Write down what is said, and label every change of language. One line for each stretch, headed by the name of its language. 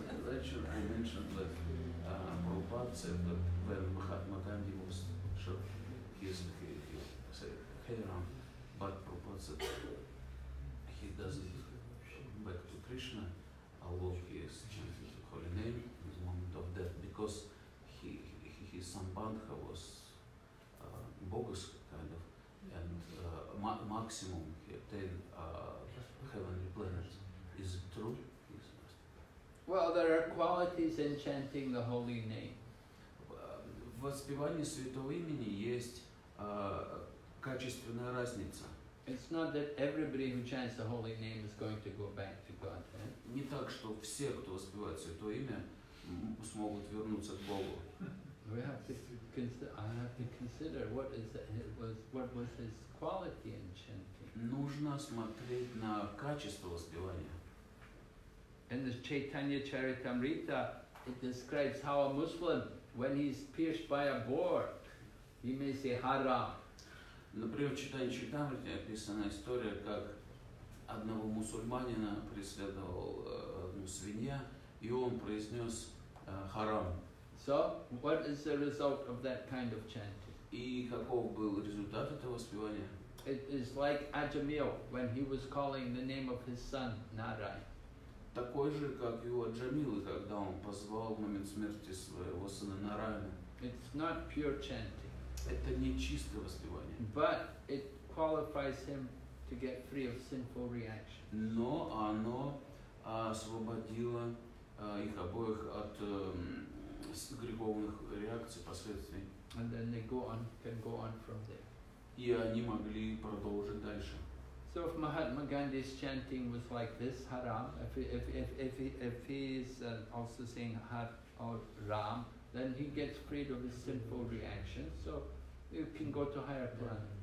English: lecture I mentioned that Prabhupada said that when Mahatma Gandhi was he said, but Prabhupada said he doesn't back to Krishna, although he is chanting the holy name in the moment of death, because his sambandha was bogus kind of, and maximum he attained heavenly planets. Is it true? Yes. Well, there are qualities in chanting the holy name.
Russian: В воспевании святого имени есть качественная разница.
English: It's not that everybody who chants the holy name is going to go back to God.
Russian: Не так, что все, кто воспевает святое имя, смогут вернуться к Богу.
English: We have to consider. I have to consider what was his quality in chanting.
Russian: Нужно смотреть на качество воспевания.
English: In the Chaitanya Charitamrita, it describes how a Muslim, when he's pierced by a boar, he may say Hara.
Russian: Например, в Чайтанья Чаритамрите описана история, как одного мусульманина преследовал свинья, и он произнес харам.
English: So, what is the result of that kind of chanting?
Russian: И каков был результат этого воспевания?
English: It is like Ajamil, when he was calling the name of his son Narai.
Russian: Такой же, как и у Аджамилы, когда он позвал в момент смерти своего сына Нараяна.
English: It's not pure chanting.
Russian: Это не чистое воспевание.
English: But it qualifies him to get free of sinful reaction.
Russian: Но оно освободило их обоих от греховных реакций, последствий.
English: And then they can go on from there.
Russian: И они могли продолжить дальше.
English: So if Mahatma Gandhi's chanting was like this, Haram, if he's also saying Har or Ram, then he gets freed of his sinful reaction. So you can go to higher plane.